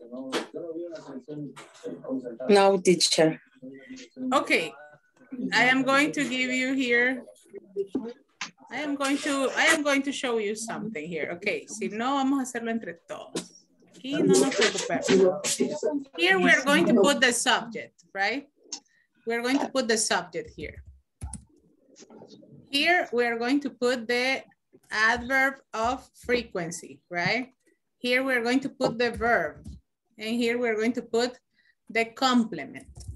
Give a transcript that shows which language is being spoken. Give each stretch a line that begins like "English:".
English: Okay. Uh-huh. No, teacher. Okay. I am going to show you something here.
Spanish: Okay, si no, vamos a hacerlo entre todos. Aquí no nos preocupemos.
English: Here we are going to put the subject, right? We are going to put the subject here. Here we are going to put the adverb of frequency, right? Here we are going to put the verb. And here we are going to put the complement.